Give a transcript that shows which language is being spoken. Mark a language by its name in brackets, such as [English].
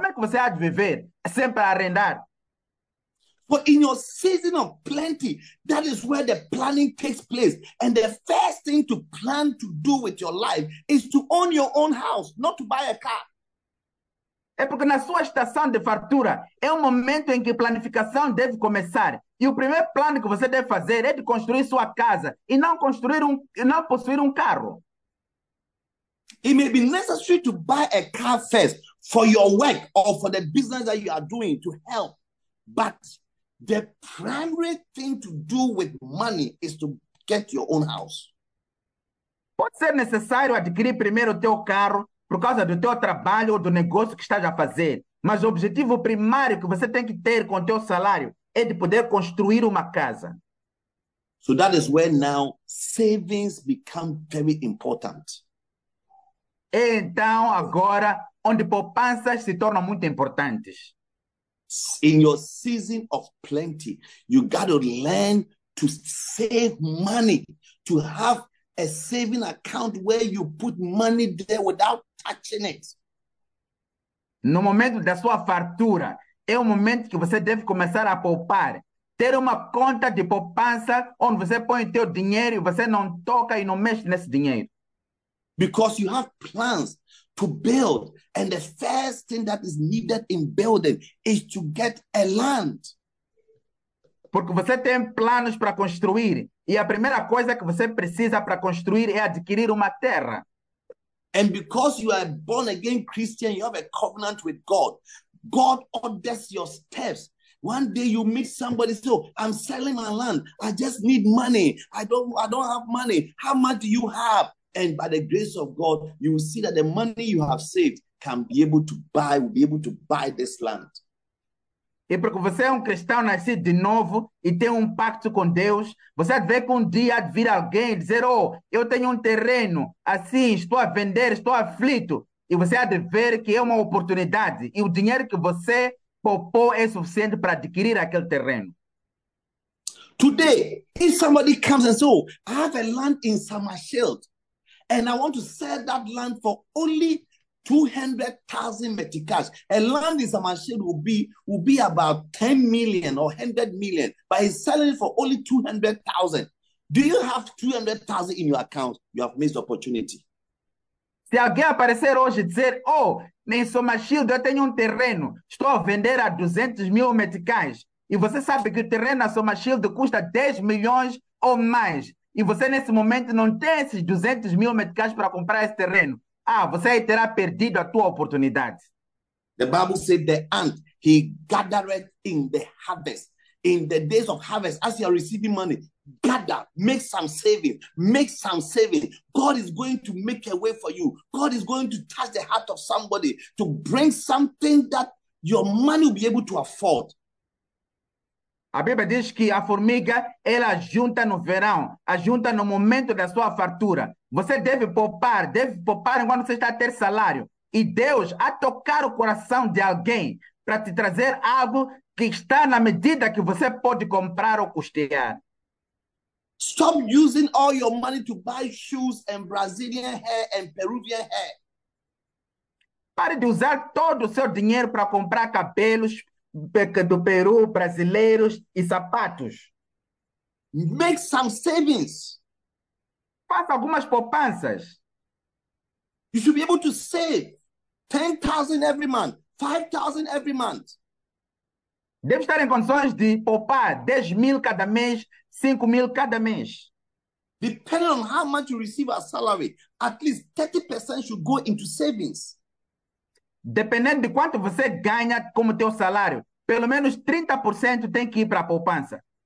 [Portuguese] Como é que você há de viver sem para arrendar? [English] But in your season of plenty, that is where the planning takes place. And the first thing to plan to do with your life is to own your own house, not to buy a car. [Portuguese] É porque na sua estação de fartura é o momento em que a planificação deve começar. E o primeiro plano que você deve fazer é de construir sua casa e não construir e não possuir carro. [English] It may be necessary to buy a car first for your work or for the business that you are doing to help. But the primary thing to do with money is to get your own house. [Portuguese] Pode ser necessário adquirir primeiro o teu carro por causa do teu trabalho ou do negócio que estás a fazer. Mas o objetivo primário que você tem que ter com o teu salário é de poder construir uma casa. [English] So that is where now savings become very important. [Portuguese] É então agora onde poupanças se tornam muito importantes. [English] In your season of plenty, you got to learn to save money, to have a saving account where you put money there without touching it. [Portuguese] No momento da sua fartura, é o momento que você deve começar a poupar. Ter uma conta de poupança onde você põe teu dinheiro e você não toca e não mexe nesse dinheiro. [English] Because you have plans to build, and the first thing that is needed in building is to get a land. [Portuguese] Porque você tem planos para construir, e a primeira coisa que você precisa para construir é adquirir uma terra. [English] And because you are born again Christian, you have a covenant with God. God orders your steps. One day you meet somebody, so I'm selling my land. I just need money. I don't have money. How much do you have? And by the grace of God, you will see that the money you have saved can be able to buy, will be able to buy this land. [Portuguese] E porque você é cristão nascido de novo e tem pacto com Deus, você vê que dia vir alguém dizer, oh, eu tenho terreno, assim, estou a vender, estou aflito. E você há de ver que é uma oportunidade e o dinheiro que você poupou é suficiente para adquirir aquele terreno. [English] Today, if somebody comes and says, oh, I have a land in Summerfield, and I want to sell that land for only 200,000 meticas. A land in Samashil will be about 10 million or 100 million, but he's selling it for only 200,000. Do you have 200,000 in your account? You have missed opportunity. [Portuguese] Se alguém aparecer hoje e dizer, oh, em Samashil eu tenho terreno, estou a vender a 200 mil meticais, e você sabe que o terreno na Samashil custa 10 milhões ou mais, e você nesse momento não tem esses 200 mil meticais para comprar esse terreno, ah, você aí terá perdido a tua oportunidade. [English] The Bible said the ant, he gathered in the harvest. In the days of harvest, as you are receiving money, gather, make some savings, make some savings. God is going to make a way for you. God is going to touch the heart of somebody to bring something that your money will be able to afford. [Portuguese] A Bíblia diz que a formiga, ela junta no verão, junta no momento da sua fartura. Você deve poupar enquanto você está a ter salário. E Deus a tocar o coração de alguém para te trazer algo que está na medida que você pode comprar ou custear. [English] Stop using all your money to buy shoes and Brazilian hair and Peruvian hair. [Portuguese] Pare de usar todo o seu dinheiro para comprar cabelos do Peru, brasileiros e sapatos. [English] Make some savings. [Portuguese] Faça algumas poupanças. [English] You should be able to save 10,000 every month, 5,000 every month. [Portuguese] Deve estar em condições de poupar 10 mil cada mês, 5 mil cada mês. [English] Depending on how much you receive as salary, at least 30% should go into savings. [Portuguese] Dependendo de quanto você ganha como teu salário, pelo menos 30% tem que ir para a poupança.